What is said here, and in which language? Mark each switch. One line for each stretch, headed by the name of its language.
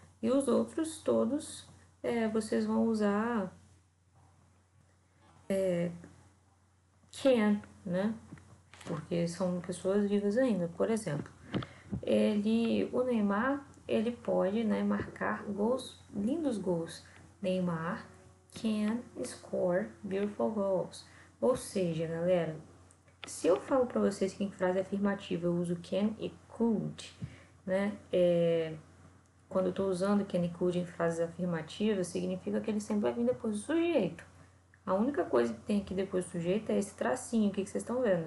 Portuguese: E os outros todos, vocês vão usar can, né? Porque são pessoas vivas ainda. Por exemplo, o Neymar, ele pode, né, marcar gols, lindos gols.
English: Neymar can score beautiful goals.
Portuguese: Ou seja, galera, se eu falo para vocês que em frase afirmativa eu uso can e could, né? Quando eu tô usando can e could em frases afirmativas, significa que ele sempre vai vir depois do sujeito. A única coisa que tem aqui depois do sujeito é esse tracinho aqui que vocês estão vendo.